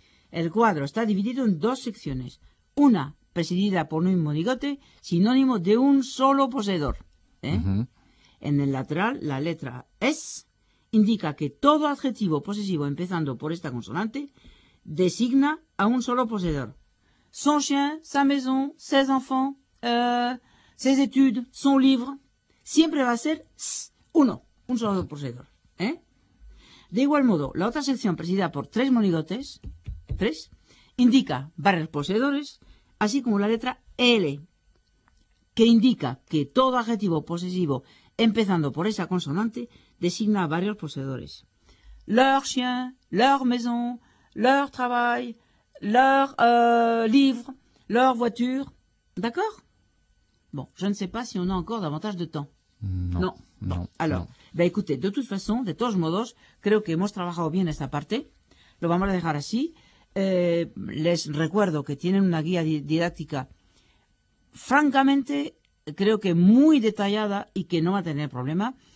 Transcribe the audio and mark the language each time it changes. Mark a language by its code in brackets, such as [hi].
[es] El cuadro está dividido en 2 secciones. Una presidida por un monigote sinónimo de un solo poseedor. En el lateral, la letra S indica que todo adjetivo posesivo empezando por esta consonante designa a un solo poseedor. Son chien, sa maison, ses enfants, ses études, son livre. Siempre va a ser uno, un solo poseedor. De igual modo, la otra sección presidida por 3 monigotes, indica varios poseedores, así como la letra L, que indica que todo adjetivo posesivo empezando por esa consonante designa varios poseedores. [fr] Leur chien, leur maison, leur travail. Leur livre, leur voiture, d'accord? Bon, je ne sais pas si on a encore davantage de temps. Non. Alors, non. Ben écoutez, de toute façon, [es] de todos modos, creo que hemos trabajado bien esta parte. Lo vamos a dejar así. Les recuerdo que tienen una guía didáctica, francamente, creo que muy detallada y que no va a tener problema.